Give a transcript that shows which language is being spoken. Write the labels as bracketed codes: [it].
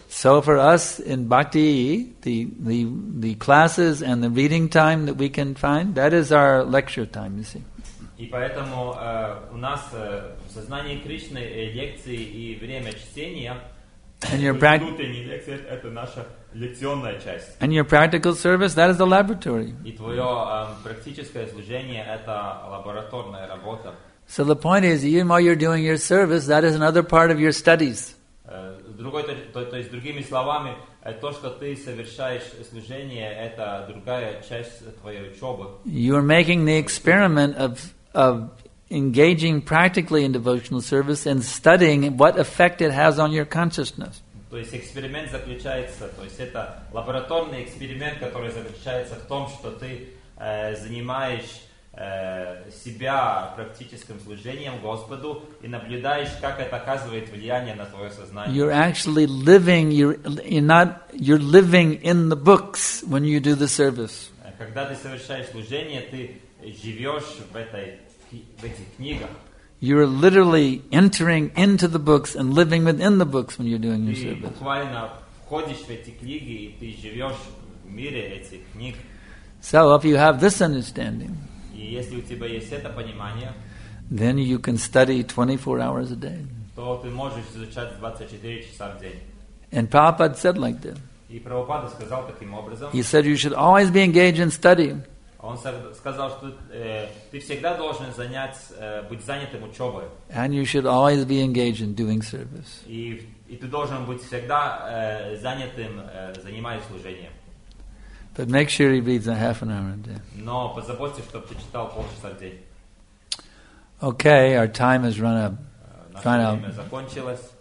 [en] So for us in Bhakti, the classes and the reading time that we can find, that is our lecture time, you see. [ru] И поэтому у нас в сознании Кришны лекции и время чтения. [en] And your And your practical service, that is the laboratory. [ru] И твое практическое служение это лабораторная работа. [en] So the point is, even while you're doing your service, that is another part of your studies. [ru] То есть другими словами, то, что ты совершаешь служение, это другая часть твоей учебы. [en] You are making the experiment of engaging practically in devotional service and studying what effect it has on your consciousness. [ru] То есть эксперимент заключается, то есть это лабораторный эксперимент, который заключается в том, что ты занимаешь себя практическим служением Господу и наблюдаешь, как это оказывает влияние на твое сознание. [en] You're actually living, you're living in the books when you do the service. [ru] Когда ты совершаешь служение, ты живешь в этой, в этих книгах. [en] You're literally entering into the books and living within the books when you're doing your service. [ru] Буквально входишь в эти книги и ты живешь в мире этих книг. [en] So if you have this understanding, [ru] и если у тебя есть это понимание, [en] then you can study 24 hours a day. [ru] То ты можешь изучать 24 часа в день. [en] And Prabhupada said like that. [ru] И Прабхупада сказал таким образом. [en] He said you should always be engaged in study. [ru] Он сказал, что ты всегда должен быть занятым учебой. [en] And you should always be engaged in doing service. [ru] И ты должен быть всегда занятым, занимаясь служением. [en] But make sure he reads a half an hour a day. [ru] Но позаботься, чтобы ты читал полчаса в день. [en] Okay, our time has run up. [ru] Наше время закончилось.